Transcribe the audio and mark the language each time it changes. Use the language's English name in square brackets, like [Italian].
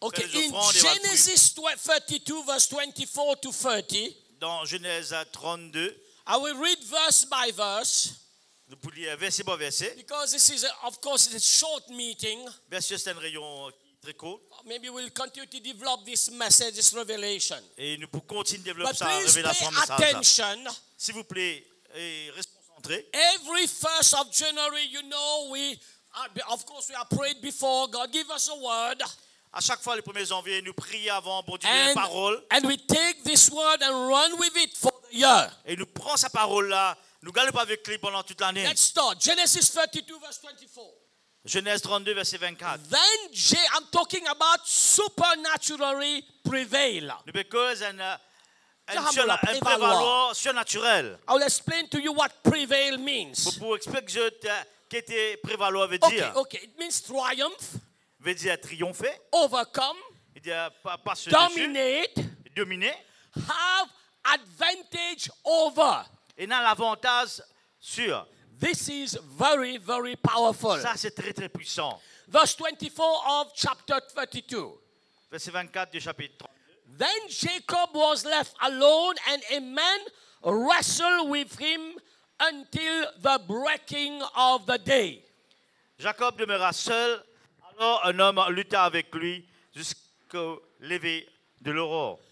[English] okay. In Genesis 32, verse 24 to 30. [French] Dans Genèse 32. [English] I will read verse by verse. [French] Nous pouvons lire verset par verset. [English] Because this is, of course, it's a short meeting. [French] Verset, c'est un rayon très court. [English] Maybe we'll continue to develop this message, this revelation. [French] Et nous pouvons continuer de développer cette révélation. [English] But please pay attention. [French] S'il vous plaît, restez concentrés. [English] Every 1st of January, you know, we are, of course, we are prayed before God. Give us a word. [French] À chaque fois, le 1er janvier, nous prions avant, bon Dieu, une parole. [English] And we take this word and run with it for the year. [French] Et nous prenons sa parole là. Nous galons pas avec lui pendant toute l'année. [English] Let's start. Genesis 32, verse 24. [French] Genèse 32, verset 24. [English] Then I'm talking about supernaturally prevail. [French] Because un prévaloir surnaturel. [English] I will explain to you what prevail means. [French] Pour expliquer ce qu'était prévaloir veut dire. [English] Okay. It means triumph. [French] Veut dire triompher. [English] Overcome. [French] Veut dire passer [English] dominate. [French] Dessus, dominer. [English] Have advantage over. [French] Et dans l'avantage sur. [English] This is very, very powerful. [French] Ça, c'est très, très puissant. [English] Verse 24 of chapter 32. [French] Verset 24 du chapitre 32. [English] Then Jacob was left alone and a man wrestled with him until the breaking of the day. [French] Jacob demeura seul, alors un homme lutta avec lui jusqu'au lever de l'aurore.